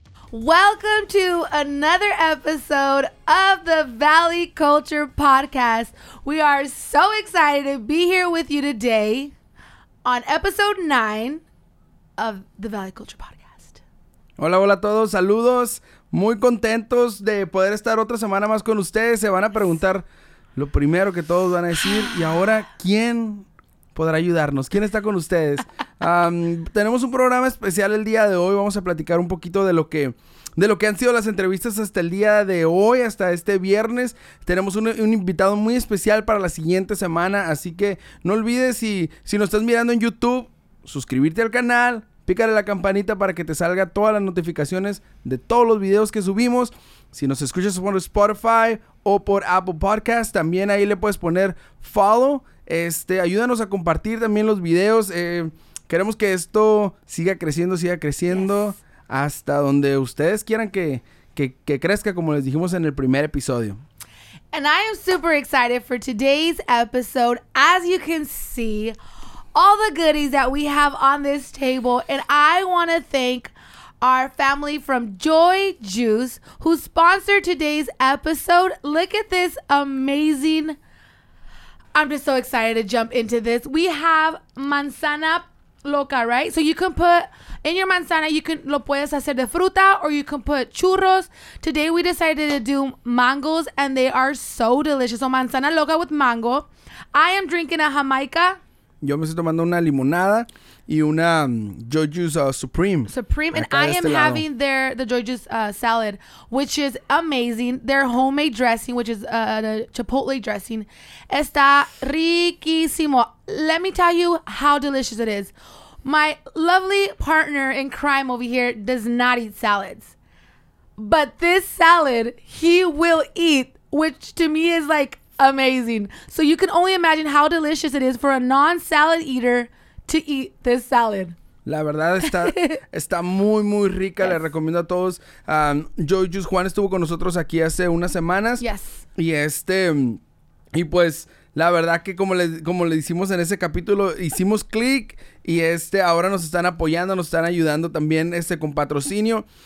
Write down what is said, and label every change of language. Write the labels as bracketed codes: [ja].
[en] Welcome to another episode of the Valley Culture Podcast. We are so excited to be here with you today on episode 9 of the Valley Culture Podcast. [es] Hola, hola a todos. Saludos. Muy contentos de poder estar otra semana más con ustedes. Se van a preguntar lo primero que todos van a decir. Y ahora, ¿quién podrá ayudarnos? ¿Quién está con ustedes? Tenemos un programa especial el día de hoy. Vamos a platicar un poquito de lo que han sido las entrevistas hasta el día de hoy, hasta este viernes. Tenemos un invitado muy especial para la siguiente semana. Así que no olvides, si nos estás mirando en YouTube, suscribirte al canal, pícale la campanita para que te salga todas las notificaciones de todos los videos que subimos. Si nos escuchas por Spotify o por Apple Podcast, también ahí le puedes poner follow. Ayúdanos a compartir también los videos. Queremos que esto siga creciendo. [en] Yes. [es] Hasta donde ustedes quieran que crezca, como les dijimos en el primer episodio. [en] And I am super excited for today's episode. As you can see, all the goodies that we have on this table. And I want to thank our family from Joy Juice, who sponsored today's episode. Look at this amazing. I'm just so excited to jump into this. We have manzana loca, right? So you can put in your manzana, you can [es] lo puedes hacer de fruta, [en] or you can put churros. Today we decided to do mangoes, and they are so delicious. So manzana loca with mango. I am drinking a Jamaica. [es] Yo me estoy tomando una limonada y una Joy Juice Supreme. [en] Supreme, and I am having the Joy Juice salad, which is amazing. Their homemade dressing, which is a chipotle dressing, [es] está riquísimo. [en] Let me tell you how delicious it is. My lovely partner in crime over here does not eat salads. But this salad, he will eat, which to me is like amazing. So you can only imagine how delicious it is for a non-salad eater to eat this salad. [es] La verdad está muy, muy rica. [en] Yes. [es] Le recomiendo a todos. Joy Juice, Juan estuvo con nosotros aquí hace unas semanas. [en] Yes. [es] Y pues la verdad que como le hicimos en ese capítulo, hicimos click y ahora nos están apoyando, nos están ayudando también con patrocinio.